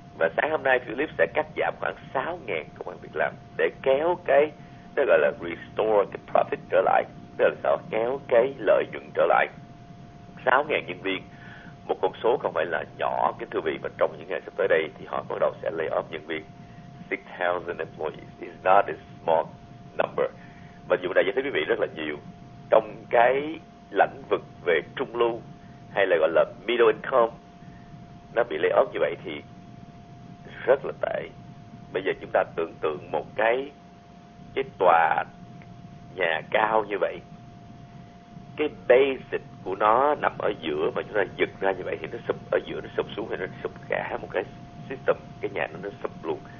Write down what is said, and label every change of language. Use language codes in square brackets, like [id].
[vi] Và sáng hôm nay Philips sẽ cắt giảm khoảng 6.000 công việc làm để kéo cái, tức gọi là [en] restore the profit [vi] trở lại, tức là kéo cái lợi nhuận trở lại. 6.000 nhân viên, một con số không phải là nhỏ, kính thưa vị, và trong những ngày sắp tới đây thì họ bắt đầu sẽ [en] lay off [vi] nhân viên. [en] 6.000 employees is not a small number. [vi] Và dù đại diện thấy quý vị rất là nhiều trong cái lĩnh vực về trung lưu hay là gọi là [en] middle income, [vi] nó bị [en] lay off [vi] như vậy thì rất là tệ. Bây giờ chúng ta tưởng tượng một cái tòa nhà cao như vậy, cái basic của nó nằm ở giữa mà chúng ta giật ra như vậy thì nó sụp ở giữa, nó sụp xuống, thì nó sụp cả một cái system, cái nhà nó sụp luôn.